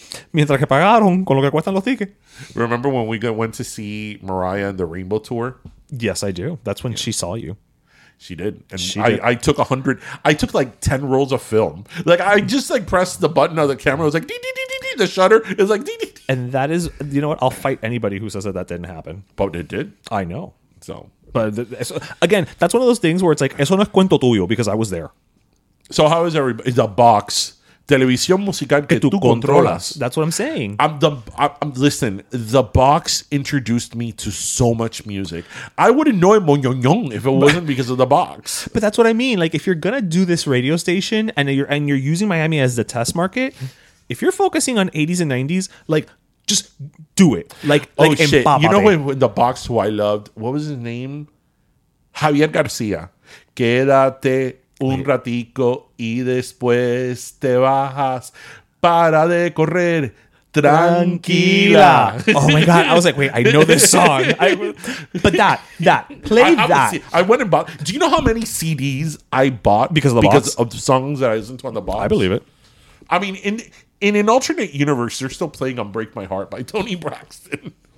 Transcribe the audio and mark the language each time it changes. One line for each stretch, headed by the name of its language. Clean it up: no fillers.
Spanish: Mientras que pagaron con lo que cuestan los tickets.
English: Remember when we went to see Mariah and the Rainbow Tour? Yes, I do. That's when she saw you. She did. And I took like 10 rolls of film. Like, I just like pressed the button of the camera. It was like, dee, dee, dee, dee, dee. The shutter is like, dee, dee, dee. And that is, you know what? I'll fight anybody who says that didn't happen. But it did. I know. So. But so, again, that's one of those things where it's like,
Spanish: eso no es cuento tuyo,
English: because I was there. So how is everybody? The box.
Spanish: Televisión musical que tú controlas.
English: That's what I'm saying. Listen, the box introduced me to so much music. I wouldn't know Moñoñón if it wasn't because of the box. But that's what I mean. Like, if you're going to do this radio station and you're using Miami as the test market, if you're focusing on 80s and 90s, like, just do it. Like, shit. Bop, you know when the box who I loved? What was his name? Javier García.
Spanish: Quédate un ratico y después te bajas para de correr tranquila.
English: Oh my God. I was like, wait, I know this song. But that. I went and bought. Do you know how many CDs I bought because of the songs that I listened to on the box? I believe it. I mean, in an alternate universe, they're still playing Unbreak My Heart by Toni Braxton.